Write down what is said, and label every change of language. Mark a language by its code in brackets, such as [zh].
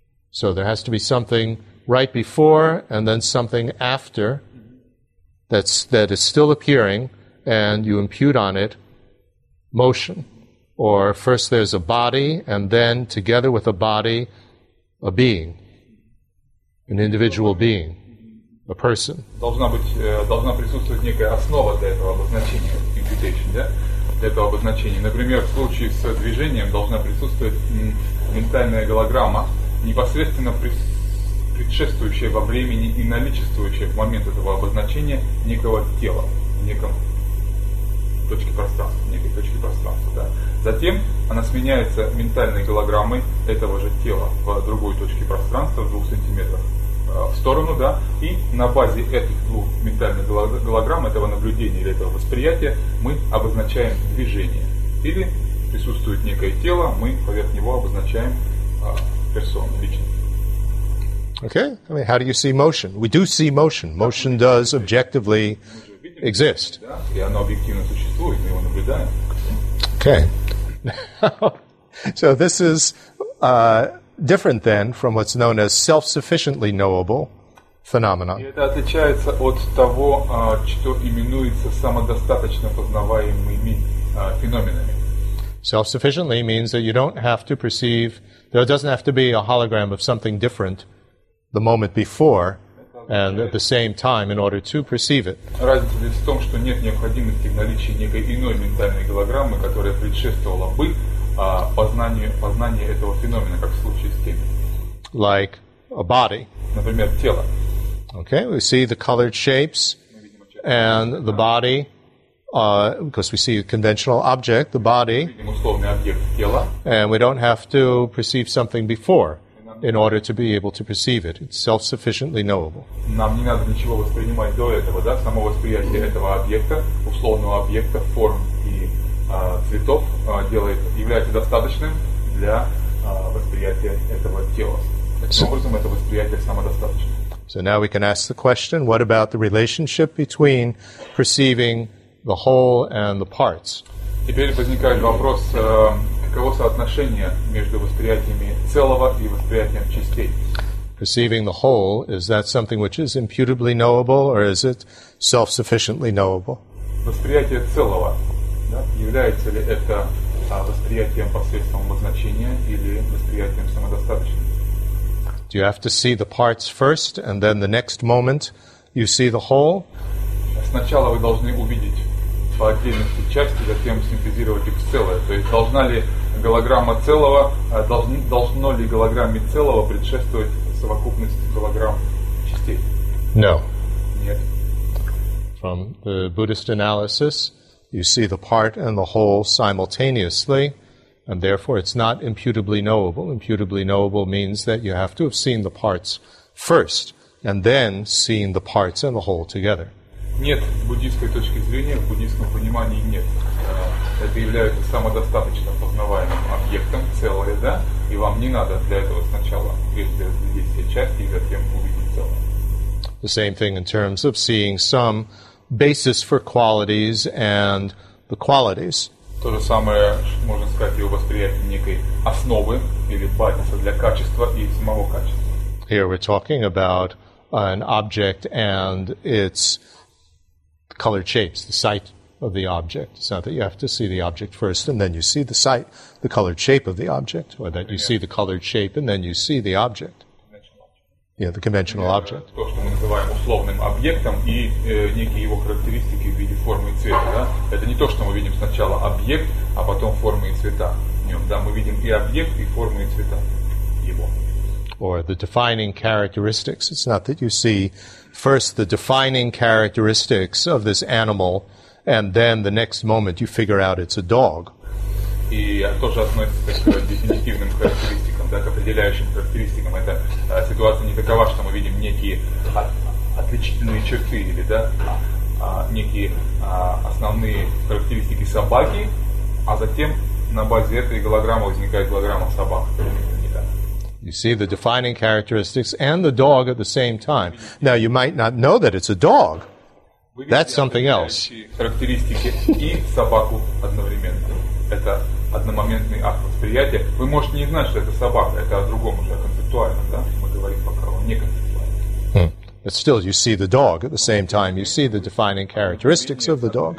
[en] So there has to be something right before and then something after that is still appearing, and you impute on it motion. Or first there's a body, and then together with a body, a being, an individual being, a person. [ru] Должна присутствовать некая основа для этого обозначения, imputation, да? Этого обозначения. Например, в случае с движением должна присутствовать ментальная голограмма, непосредственно предшествующая во времени и наличествующая в момент этого обозначения некого тела, некой точки пространства. Да. Затем она сменяется ментальной голограммой этого же тела в другой точке пространства, в 2 сантиметрах в сторону, да, и на базе этих 2 ментальных голограмм, этого наблюдения или этого восприятия, мы обозначаем движение. Или присутствует некое тело, мы поверх него обозначаем персону, личность. [en] Okay, I mean, how do you see motion? We do see motion. Motion does objectively exist. [ru] Да, и оно объективно существует, мы его наблюдаем. [en] Okay. So this is different then from what's known as self-sufficiently knowable phenomenon. [ru] И это отличается от того, что именуется самодостаточно познаваемыми феноменами. [en] Self-sufficiently means that you don't have to perceive, there doesn't have to be a hologram of something different the moment before and at the same time in order to perceive it. [ru] Разница здесь в том, что нет необходимости в наличии некой иной ментальной голограммы, которая предшествовала бы познание этого феномена, как в случае с теми. [en] Like a body. [ru] Например, тело. [en] Okay, we see the colored shapes and the body, because we see a conventional object, the body, [ru] видим условный объект, тело. [en] And we don't have to perceive something before in order to be able to perceive it. It's self-sufficiently knowable. [ru] Нам не надо ничего воспринимать до этого, да, само восприятие этого объекта, условного объекта, форм цветов является достаточным для восприятия этого тела. Таким образом, это восприятие самодостаточно. [en] So now we can ask the question, what about the relationship between perceiving the whole and the parts? [ru] Теперь возникает вопрос, каково соотношение между восприятиями целого и восприятием частей? [en] Perceiving the whole, is that something which is imputably knowable, or is it self-sufficiently knowable? [ru] Восприятие целого. Является ли это восприятием посредством обозначения или восприятием самодостаточным? [en] Do you have to see the parts first, and then the next moment you see the whole? [ru] Сначала вы должны увидеть по отдельности части, затем синтезировать их в целое. То есть должна ли голограмма целого, должно ли голограмме целого предшествовать совокупности голограмм частей? [en] No. [ru] Нет. [en] From the Buddhist analysis, you see the part and the whole simultaneously, and therefore it's not imputably knowable. Imputably knowable means that you have to have seen the parts first, and then seen the parts and the whole together. [ru] Нет, в буддийской точке зрения, в буддийском понимании нет объявляются самодостаточно познаваемым объектом целое, да, и вам не надо для этого сначала прежде разглядеть все части и затем увидеть целое. [en] The same thing in terms of seeing some basis for qualities and the qualities. [ru] То же самое можно сказать и о восприятии некой основы или базиса для качества и самого качества. [en] Here we're talking about an object and its colored shapes, the sight of the object. It's not that you have to see the object first and then you see the sight, the colored shape of the object, or that you see the colored shape and then you see the object. Yeah, the conventional object. [ru] То, что мы называем условным объектом и некие его характеристики в виде формы и цвета, да? Это не то, что мы видим сначала объект, а потом формы и цвета в нем. Да, мы видим и объект, и формы и цвета его. [en] Or the defining characteristics. It's not that you see first the defining characteristics of this animal, and then the next moment you figure out it's a dog. [ru] И тоже относится к дефинитивным характеристикам, да, к определяющим характеристикам. Это ситуация не такова, что мы видим некие отличительные черты или да, некие основные характеристики собаки, а затем на базе этой голограммы возникает голограмма собак. [en] You see the defining characteristics and the dog at the same time. Now, you might not know that it's a dog. That's something else. [ru] Характеристики и собаку одновременно. Это одномоментный акт восприятия. Вы можете не знать, что это собака. Это о другом уже, концептуально, да? Мы говорим пока о неконцептуальном. [en] But still, you see the dog at the same time. You see the defining characteristics of the dog.